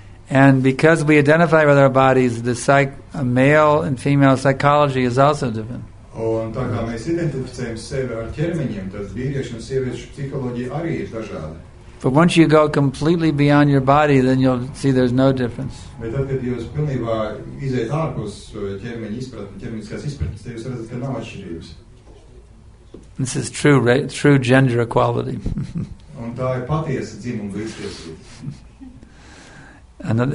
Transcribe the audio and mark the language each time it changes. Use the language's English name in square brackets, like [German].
[English] And because we identify with our bodies, the a male and female psychology is also different. [Latvian] Un tā kā mēs identificējam sevi ar ķermeņiem, tad vīriešu un sieviešu psiholoģija arī ir dažāda. [English] But once you go completely beyond your body, then you'll see there's no difference. [Latvian] Bet tad, kad jūs pilnībā iziet ārpus ķermeņiskās izpratnes, tad jūs redzat, ka nav atšķirības. [English] This is true, right? True gender equality. [Latvian] Un tā ir patiesa dzimuma līdztiesība.